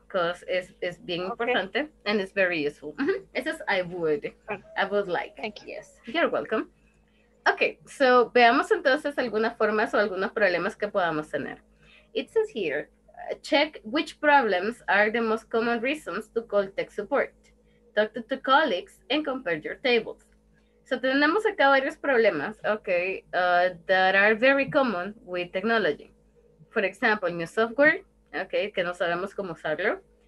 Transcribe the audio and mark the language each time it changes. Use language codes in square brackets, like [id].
[en] Because it's [es] bien importante [en] and it's very useful. It says I would like. Thank you. Yes, you're welcome. [es] Okay, so veamos entonces algunas formas o algunos problemas que podamos tener. [en] It says here, check which problems are the most common reasons to call tech support. Talk to two colleagues and compare your tables. So [es] tenemos acá varios problemas, [en] okay, that are very common with technology. For example, new software, okay, [es] que no sabemos cómo usarlo.